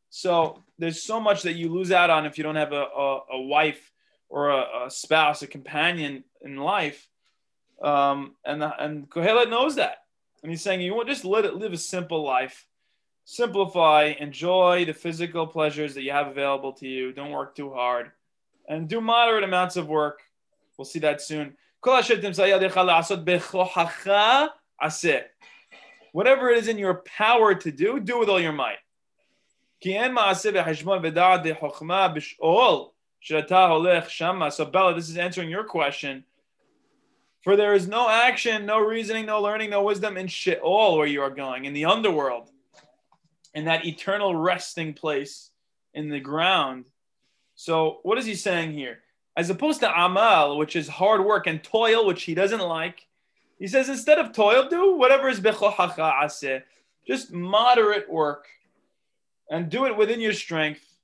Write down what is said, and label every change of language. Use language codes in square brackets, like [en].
[en] So there's so much that you lose out on if you don't have a wife or a spouse, a companion in life. And Kohelet knows that. And he's saying, you want just live a simple life. Simplify, enjoy the physical pleasures that you have available to you. Don't work too hard. And do moderate amounts of work. We'll see that soon. [he] כל אשר תמצא ידך לעשות בכוחך עשה. [en] Whatever it is in your power to do, do with all your might. [he] כי אין מעשה בחשבון ודעת חוכמה בשאול שאתה הולך שמה. [en] So Bella, this is answering your question. For there is no action, no reasoning, no learning, no wisdom in Sheol, where you are going, in the underworld, in that eternal resting place in the ground. So what is he saying here? As opposed to amal, which is hard work, and toil, which he doesn't like, he says, instead of toil, do whatever is [he] bechochacha aseh, [en] just moderate work, and do it within your strength.